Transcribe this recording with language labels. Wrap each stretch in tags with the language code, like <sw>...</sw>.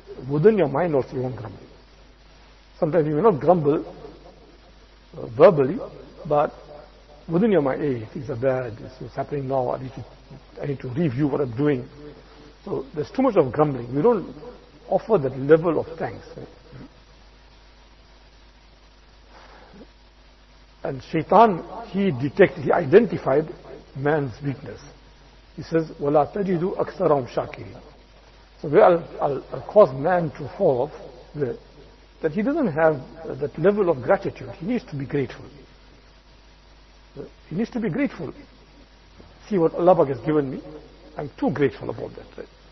<en>Within your mind also you won't grumble. Sometimes you may not grumble verbally, but within your mind, hey, things are bad, this is happening now, I need to review what I'm doing. So there's too much of grumbling. You don't offer that level of thanks. And Shaitan, he identified man's weakness. He says,</en> <ar>وَلَا تَجِدُوا أَكْثَرَهُمْ شَاكِرِينَ.</ar> <en>So where I'll cause man to fall off, that he doesn't have that level of gratitude. He needs to be grateful. He needs to be grateful. See what Allah has given me. I'm too grateful about that.</en>